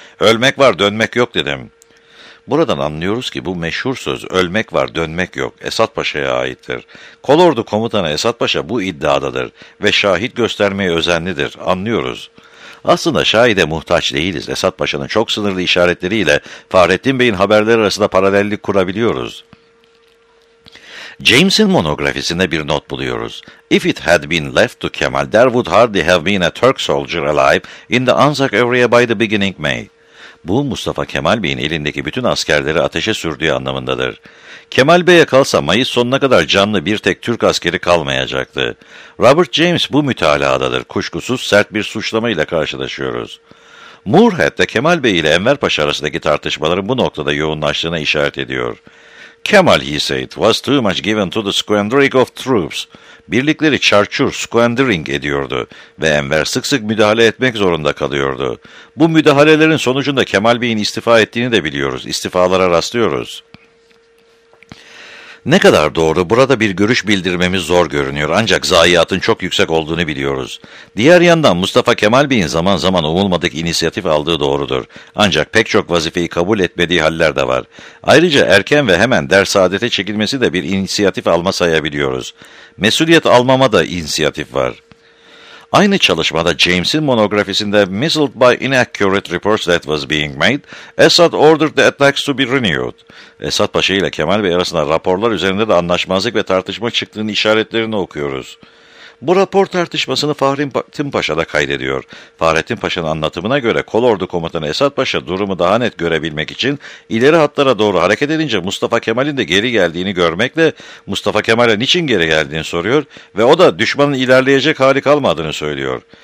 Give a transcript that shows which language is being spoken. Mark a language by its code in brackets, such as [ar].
[tr] Ölmek var, dönmek yok dedim. Buradan anlıyoruz ki bu meşhur söz ölmek var dönmek yok Esat Paşa'ya aittir. Kolordu komutanı Esat Paşa bu iddiadadır ve şahit göstermeye özenlidir, anlıyoruz. Aslında şahide muhtaç değiliz. Esat Paşa'nın çok sınırlı işaretleriyle Fahrettin Bey'in haberleri arasında paralellik kurabiliyoruz. James'in monografisinde bir not buluyoruz. [en] If it had been left to Kemal, there would hardly have been a Turk soldier alive in the Anzac area by the beginning May. [tr] Bu Mustafa Kemal Bey'in elindeki bütün askerleri ateşe sürdüğü anlamındadır. Kemal Bey'e kalsa Mayıs sonuna kadar canlı bir tek Türk askeri kalmayacaktı. Robert James bu mütalaadadır. Kuşkusuz sert bir suçlama ile karşılaşıyoruz. Moorhead'de Kemal Bey ile Enver Paşa arasındaki tartışmaların bu noktada yoğunlaştığına işaret ediyor. [en] Kemal, he said, was too much given to the squandering of troops. [tr] Birlikleri çarçur, squandering ediyordu ve Enver sık sık müdahale etmek zorunda kalıyordu. Bu müdahalelerin sonucunda Kemal Bey'in istifa ettiğini de biliyoruz, istifalara rastlıyoruz. Ne kadar doğru, burada bir görüş bildirmemiz zor görünüyor ancak zayiatın çok yüksek olduğunu biliyoruz. Diğer yandan Mustafa Kemal Bey'in zaman zaman umulmadık inisiyatif aldığı doğrudur. Ancak pek çok vazifeyi kabul etmediği haller de var. Ayrıca erken ve hemen dersaadete çekilmesi de bir inisiyatif alma sayabiliyoruz. Mesuliyet almama da inisiyatif var. Aynı çalışmada James'in monografisinde [en] "Mislead by inaccurate reports that was being made, Assad ordered the attacks to be renewed." [tr] Esad Paşa ile Kemal Bey arasında raporlar üzerinde de anlaşmazlık ve tartışma çıktığını işaretlerini okuyoruz. Bu rapor tartışmasını Fahrettin Paşa da kaydediyor. Fahrettin Paşa'nın anlatımına göre kolordu komutanı Esat Paşa durumu daha net görebilmek için ileri hatlara doğru hareket edince Mustafa Kemal'in de geri geldiğini görmekle Mustafa Kemal'e niçin geri geldiğini soruyor ve o da düşmanın ilerleyecek hali kalmadığını söylüyor.